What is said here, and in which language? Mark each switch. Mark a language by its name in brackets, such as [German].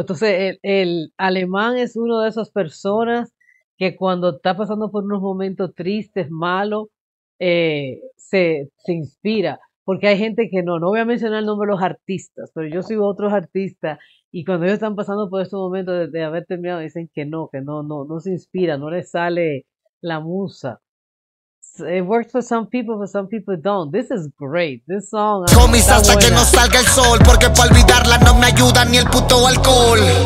[Spanish] Entonces, el alemán es una de esas personas que cuando está pasando por unos momentos tristes, malos, se inspira. Porque hay gente que no voy a mencionar el nombre de los artistas, pero yo sigo otros artistas y cuando ellos están pasando por estos momentos de haber terminado, dicen que no se inspira, no les sale la musa. [English] It works for some people, but some people don't. This is great. This song, [Spanish] Hasta está que no salga el sol, porque para olvidarla no me ayuda ni el puto alcohol.